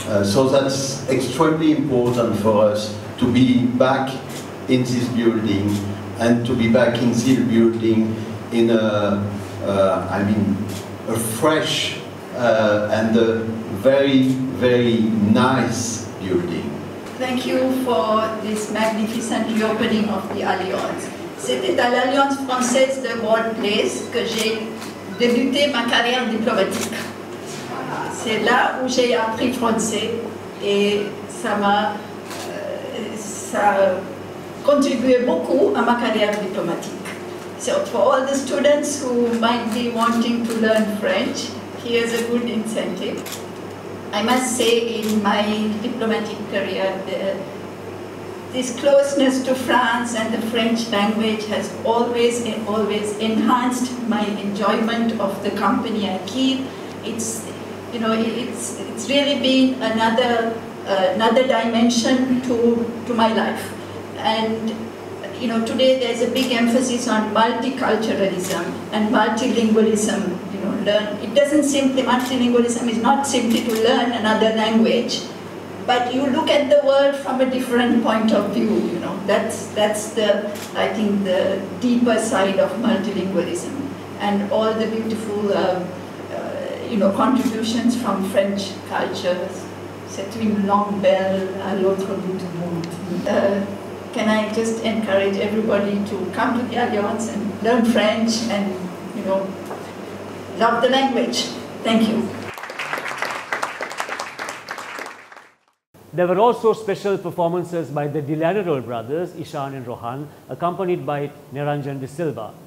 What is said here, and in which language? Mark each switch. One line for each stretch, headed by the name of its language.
English: So that's extremely important for us to be back in this building and to be back in this building in a fresh and a very, very nice building. Thank you for this magnificent reopening of the Alliance.
French: C'était à l'Alliance Française de World Place que j'ai débuté ma carrière diplomatique. C'est là où j'ai appris français et ça contribué beaucoup à ma carrière diplomatique.
English: So for all the students who might be wanting to learn French, here's a good incentive. I must say, in my diplomatic career, this closeness to France and the French language has always enhanced my enjoyment of the company I keep. It's really been another dimension to my life. And you know, today there's a big emphasis on multiculturalism and multilingualism. It doesn't simply, multilingualism is not simply to learn another language, but you look at the world from a different point of view, you know. That's the, I think, the deeper side of multilingualism. And all the beautiful, contributions from French cultures.
French: C'est une longue belle à l'autre bout du monde.
English: Can I just encourage everybody to come to the Alliance and learn French and, you know, love the language. Thank you. There were also special performances by the Lanerolle Brothers, Ishan and Rohan, accompanied by Niranjan De Silva.